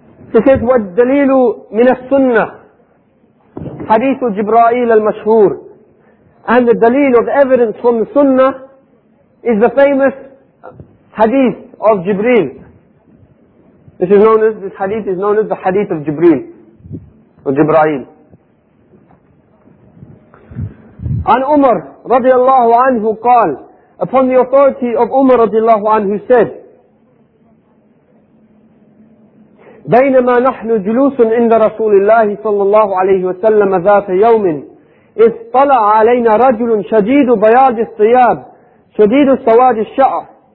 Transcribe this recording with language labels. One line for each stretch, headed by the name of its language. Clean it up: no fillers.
English: He says,
Arabic: وَالدَّلِيلُ مِنَ السُّنَّةِ حَدِيثُ جِبْرَائِيلَ الْمَشْهُورِ.
English: And the dalil of evidence from the sunnah is the famous hadith of Jibreel. This hadith is known as the hadith of Jibreel or Jibreel. An Umar radiallahu anhu qal, upon the authority of Umar radiallahu anhu said,
Arabic: بينما نحن جلوس عند رسول الله صلى الله عليه وسلم ذات يوم إذ طلع علينا رجل شديد بياض الثياب شديد السواد الشعر